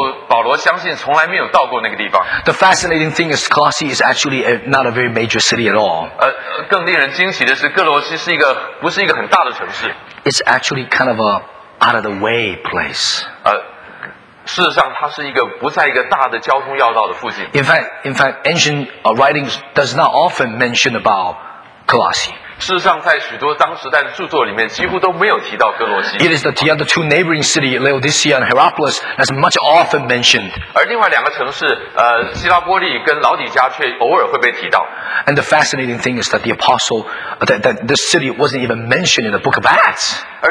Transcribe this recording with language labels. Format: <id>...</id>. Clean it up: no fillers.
<zh>哥罗西和老底嘉还有希拉波利是在那个时候的三个小城镇，他们那个时候保罗相信从来没有到过那个地方。</zh> <en>The fascinating thing is Colossae is actually not a very major city at all.</en> <zh>更令人惊奇的是，哥罗西不是一个很大的城市。</zh> <en>It's actually kind of a out of the way place.</en> <zh>事实上，它是一个不在一个大的交通要道的附近。</zh> <en>In fact, ancient writings does not often mention about Colossae.</en> <zh>事实上，在许多当时代的著作里面，几乎都没有提到哥罗西。</zh> <en>It is the other two neighboring cities, Laodicea and Hierapolis, that's much often mentioned.</en> <zh>而另外两个城市，希拉波利跟老底嘉却偶尔会被提到。</zh> <en>And the fascinating thing is that the apostle, that this city wasn't even mentioned in the book of Acts.</en>